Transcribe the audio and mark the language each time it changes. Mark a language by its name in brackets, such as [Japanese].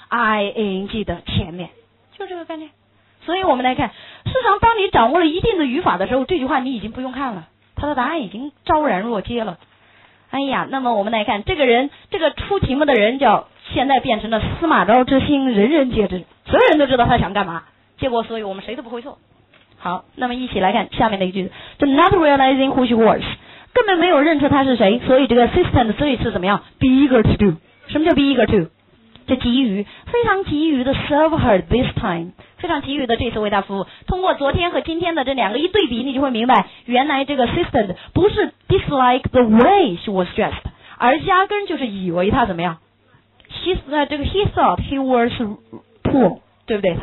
[Chinese] ING 的前面，就这个概念。所以我们来看，事实上当你掌握了一定的语法的时候，这句话你已经不用看了，它的答案已经昭然若揭了。哎呀，那么我们来看这个人，这个出题目的人叫现在变成了司马昭之心，人人皆知，所有人都知道他想干嘛，结果所以我们谁都不会做。好，那么一起来看下面的一句，就 [English] not realizing who she was， [Chinese] 根本没有认出他是谁，所以这个 assistant 的最是怎么样？ [English] be eager to do， [Chinese] 什么叫 [English] be eager to？ [Chinese] 这急于，非常急于的 [English] serve her this time， [Chinese] 非常急于的这次为他服务。通过昨天和今天的这两个一对比，你就会明白原来这个 assistant 不是 [English] dislike the way she was dressed， [Chinese] 而压根就是以为他怎么样， [English] he thought he was poor， [Chinese] 对不对？